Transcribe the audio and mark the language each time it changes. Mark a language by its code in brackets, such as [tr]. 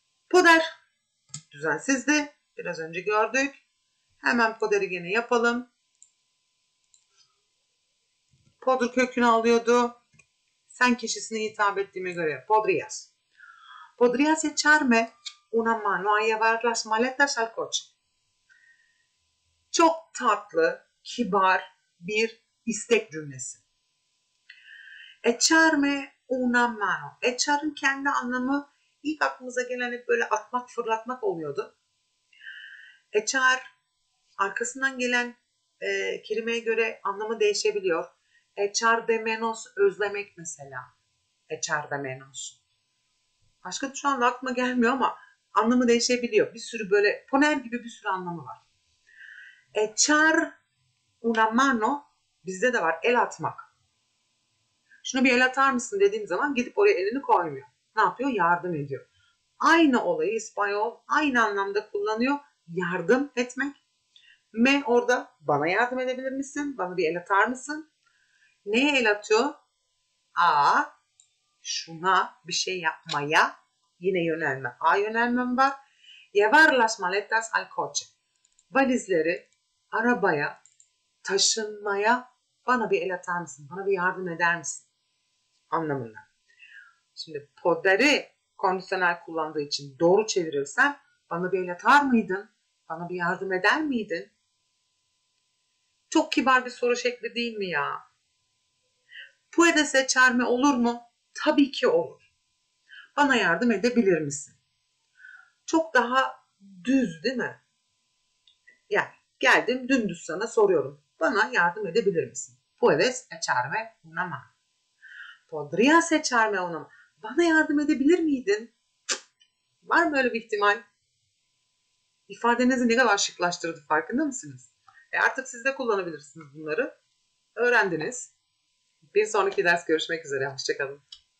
[tr] Poder. Düzensizdi. Biraz önce gördük. Hemen poderi gene yapalım. Podr kökünü alıyordu. Sen kişisine hitap ettiğime göre podrías. [es] ¿Podrías echarme una mano a llevar las maletas al coche? [tr] Çok tatlı, kibar bir istek cümlesi. [es] Echarme una mano. [tr] Echar'ın kendi anlamı ilk aklımıza gelen hep böyle atmak, fırlatmak oluyordu. Echar, arkasından gelen kelimeye göre anlamı değişebiliyor. [es] Echar de menos, [tr] özlemek mesela. Echar de menos. Başka şu anda aklıma gelmiyor ama anlamı değişebiliyor. Bir sürü böyle poner gibi bir sürü anlamı var. [es] Echar una mano [tr] bizde de var. El atmak. Şunu bir el atar mısın dediğim zaman gidip oraya elini koymuyor. Ne yapıyor? Yardım ediyor. Aynı olayı İspanyol aynı anlamda kullanıyor. Yardım etmek. Me orada bana yardım edebilir misin? Bana bir el atar mısın? Neye el atıyor? A şuna bir şey yapmaya yine yönelme. A yönelmem var. [es] Llevar las maletas al coche. [tr] Valizleri arabaya taşınmaya bana bir el atar mısın? Bana bir yardım eder misin? Anlamında. Şimdi poderi kondisyonel kullandığı için doğru çevirirsem bana bir el atar mıydın? Bana bir yardım eder miydin? Çok kibar bir soru şekli değil mi ya? [es] Puedes echarme [tr] olur mu? Tabii ki olur. Bana yardım edebilir misin? Çok daha düz değil mi? Yani geldim dümdüz sana soruyorum. Bana yardım edebilir misin? [es] Puedes echarme una mano. Podrías echarme una mano. [tr] Bana yardım edebilir miydin? Var mı öyle bir ihtimal? İfadenizi ne kadar şıklaştırdı farkında mısınız? Artık siz de kullanabilirsiniz bunları. Öğrendiniz. Bir sonraki ders görüşmek üzere. Hoşçakalın.